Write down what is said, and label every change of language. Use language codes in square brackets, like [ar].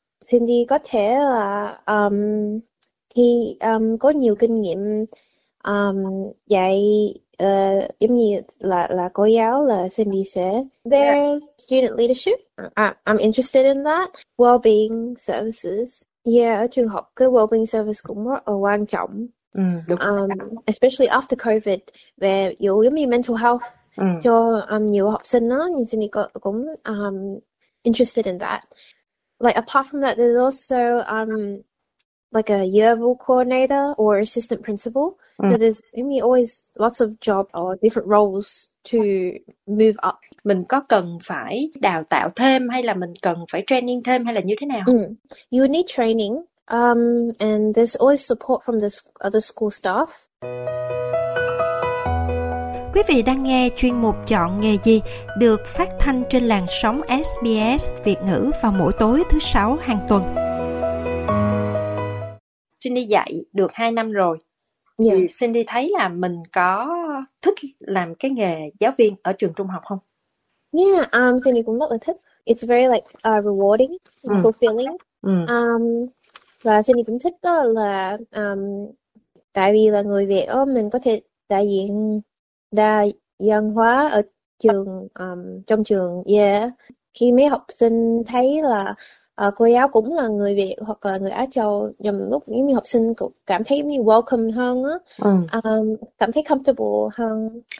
[vi] Cindy có thể là khi có nhiều kinh nghiệm dạy giống như là cô giáo, là Cindy sẽ [en] there student leadership, I'm interested in that well-being services. [vi] Ở trường học cái well-being service cũng rất là quan trọng, Đúng [en] especially after COVID, [vi] về dù giống như [en] mental health [vi] rồi. cho nhiều học sinh đó, nhưng Cindy cũng [en] interested in that. Like apart from that, there's also like a yearbook coordinator or assistant principal. So there's always lots of job or different roles to move up. [vi] Mình có cần phải đào tạo thêm hay là mình cần phải training thêm hay là như thế nào? [en] You need training, and there's always support from the other school staff. [vi] Quý vị đang nghe chuyên mục Chọn nghề gì được phát thanh trên làn sóng SBS Việt ngữ vào mỗi tối thứ sáu hàng tuần. Cindy dạy được 2 năm rồi, thì Cindy thấy là mình có thích làm cái nghề giáo viên ở trường trung học không? Cindy cũng rất là thích. [en] It's very like rewarding and fulfilling. [vi] Và Cindy cũng thích đó là tại vì là người Việt đó, mình có thể đại diện đa dân hóa ở trường, trong trường. Khi mấy học sinh thấy là cô giáo cũng là người Việt hoặc là người Á Châu, nhằm lúc những học sinh cảm thấy như welcome hơn đó, cảm thấy comfortable hơn.